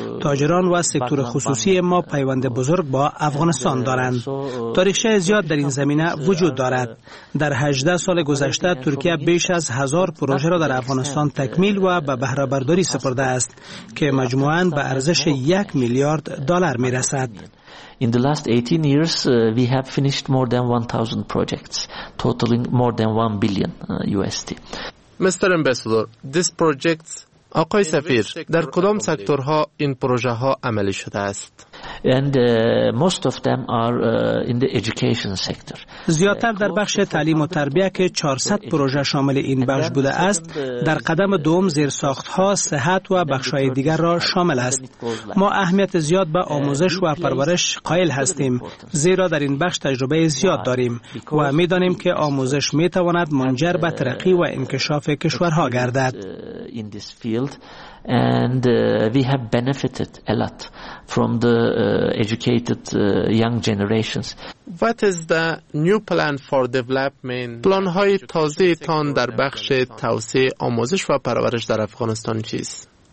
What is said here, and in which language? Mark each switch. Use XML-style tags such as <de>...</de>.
<fa>تاجران و سکتور خصوصی ما پیوند بزرگ با افغانستان دارند. تاریخچه زیاد در این زمینه وجود دارد. در 18 سال گذشته ترکیه بیش از 1000 پروژه را در افغانستان تکمیل و به بهره برداری سپرده است که مجموعاً به ارزش 1 میلیارد دلار میرسد.</fa> <en>In the last 18 years we have finished more than 1000 projects totaling more than 1 billion USD. Mr. Ambassador, this project</en> <fa>آقای سفیر، در کدام سکتورها این پروژه ها عملی شده است؟</fa> <en>And most of them are in the education sector.</en> <fa>زیادتر در بخش تعلیم و تربیه که 400 پروژه شامل این بخش بوده است، در قدم دوم زیرساخت‌ها، صحت و بخش‌های دیگر را شامل است. ما اهمیت زیاد به آموزش و پرورش قائل هستیم، زیرا در این بخش تجربه زیاد داریم و می‌دانیم که آموزش می‌تواند منجر به ترقی و انکشاف کشورها گردد.</fa> <en>And we have benefited a lot from the educated young generations. What is the new plan for development?</en> <fa>پلان های تازه تان در بخش توسعه آموزش و پرورش در افغانستان چیست؟</fa>